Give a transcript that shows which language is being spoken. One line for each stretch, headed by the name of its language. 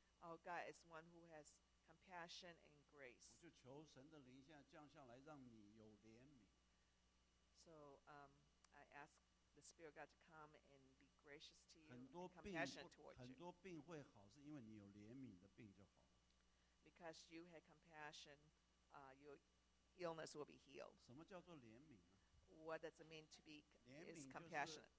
English: Our God is one who has compassion and grace.
Chinese: 我就求神的灵现在降下来, 让你有怜悯。
English: So I ask the Spirit of God to come and be gracious to you,
Chinese: 很多病,
English: and compassion towards you.
Chinese: 很多病会好, 是因为你有怜悯的病就好了。
English: Because you had compassion, your illness will be healed.
Chinese: 什么叫做怜悯呢?
English: What does it mean to be is compassionate?